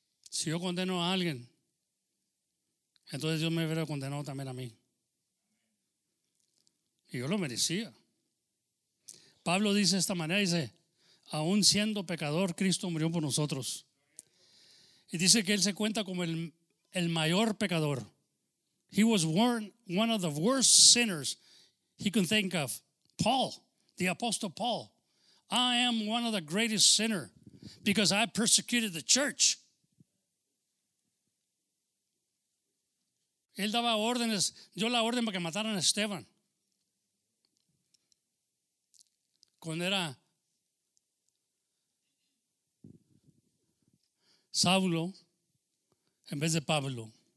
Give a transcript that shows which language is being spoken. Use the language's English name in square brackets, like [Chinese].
[Spanish] Si yo condeno a alguien, entonces Dios me hubiera condenado también a mí. Y yo lo merecía. Pablo dice de esta manera, dice, aún siendo pecador, Cristo murió por nosotros. Y dice que él se cuenta como el mayor pecador. [English] He was one of the worst sinners he could think of. Paul, the apostle Paul. I am one of the greatest sinners because I persecuted the church. [Spanish] Él daba órdenes, dio la orden para que mataran a Esteban. Cuando era Saulo en vez de Pablo.